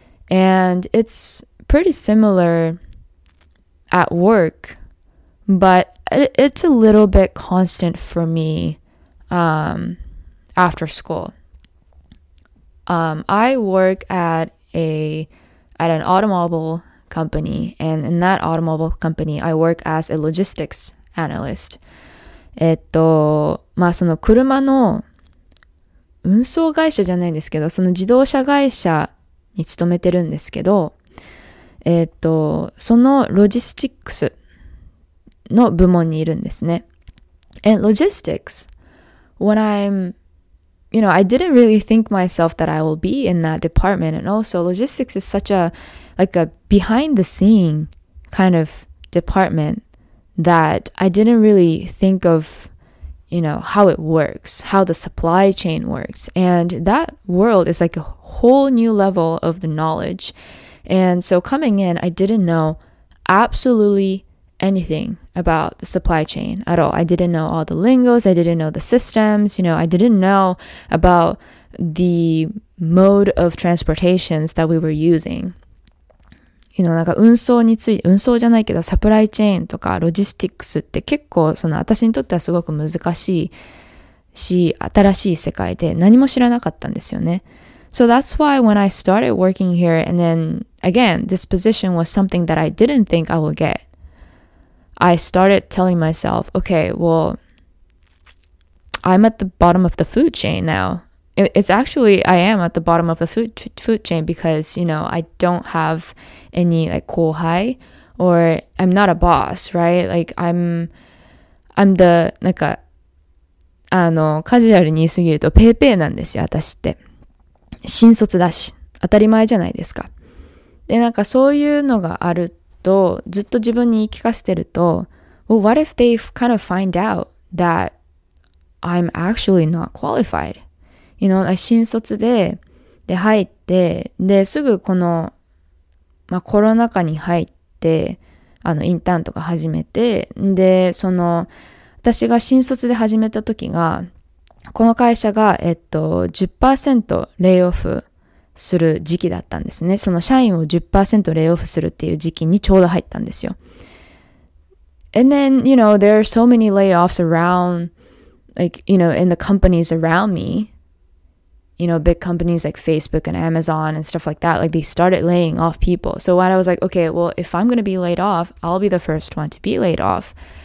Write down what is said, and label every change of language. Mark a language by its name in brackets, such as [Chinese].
[English] And it's pretty similar at work, but it's a little bit constant for me after school. I work at an automobile company, and in that automobile company, I work as a logistics analyst. [Japanese] その車の運送会社じゃないんですけど、その自動車会社に勤めてるんですけど、そのロジスティックスの部門にいるんですね。 [English] And logistics, when I'm, you know, I didn't really think myself that I will be in that department. And also, logistics is such a, like a behind the scene kind of department that I didn't really think of, you know, how it works, how the supply chain works. And that world is like a whole new level of the knowledge. And so coming in, I didn't know absolutely anything about the supply chain at all. I didn't know all the lingos. I didn't know the systems. You know, I didn't know about the mode of transportations that we were using. [Japanese] You know, なんか運送について、運送じゃないけど、サプライチェーンとかロジスティックスって結構、その私にとってはすごく難しいし、新しい世界で何も知らなかったんですよね。 [English] So that's why when I started working here, and then again, this position was something that I didn't think I would get. I started telling myself, okay, well, I'm at the bottom of the food chain now. It's actually, I am at the bottom of the food chain because, you know, I don't have any, like, 後輩 or I'm not a boss, right? Like, I'm the, なんか、 [Japanese] あの、カジュアルに言いすぎるとペーペーなんですよ、私って。新卒だし、当たり前じゃないですか。で、なんかそういうのがあると、ずっと自分に言い聞かせてると、 [English] well, what if they kind of find out that I'm actually not qualified? [Japanese] You know, 新卒で、で入って、ですぐこの、まあ、コロナ禍に入って、あの、インターンとか始めて、で、その、私が新卒で始めた時が、この会社が、10% レイオフする時期だったんですね。その社員を 10% レイオフするっていう時期にちょうど入ったんですよ。 [English] And then, you know, there are so many layoffs around, like, you know, in the companies around me. You know, big companies like Facebook and Amazon and stuff like that, like they started laying off people. So when I was like, okay, well, if I'm going to be laid off, I'll be the first one to be laid off.